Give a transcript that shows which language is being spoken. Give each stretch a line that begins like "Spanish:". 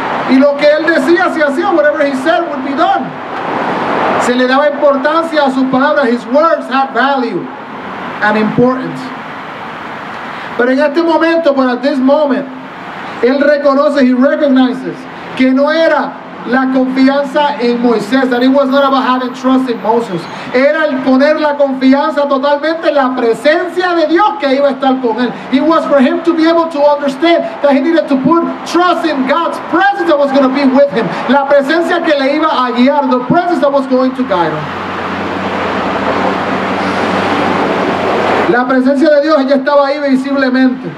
Spanish: Y lo que él decía, si hacía,
English: whatever he said would be done.
Spanish: Se le daba importancia a sus palabras.
English: His words had value and importance.
Spanish: Pero en este momento,
English: but at this moment,
Spanish: él reconoce,
English: he recognizes,
Spanish: que no era la confianza en Moisés.
English: That it was not about having trust in Moses.
Spanish: Era el poner la confianza totalmente en la presencia de Dios que iba a estar con él.
English: It was for him to be able to understand that he needed to put trust in God's presence that was going to be with him.
Spanish: La presencia que le iba a guiar.
English: The presence that was going to guide him.
Spanish: La presencia de Dios ya estaba ahí visiblemente.